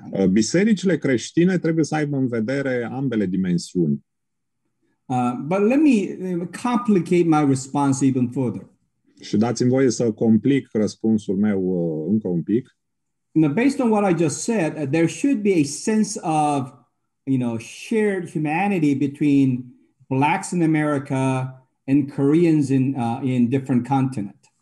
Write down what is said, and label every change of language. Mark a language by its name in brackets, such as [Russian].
[Romanian] Bisericile creștine trebuie să aibă în vedere ambele dimensiuni. [English] But let me complicate my response even further. [Romanian] Și dați-mi voie să complic răspunsul meu încă un pic. [English] Now, based on what I just said, there should be a sense of, you know, shared humanity between blacks in America and Koreans in different continent.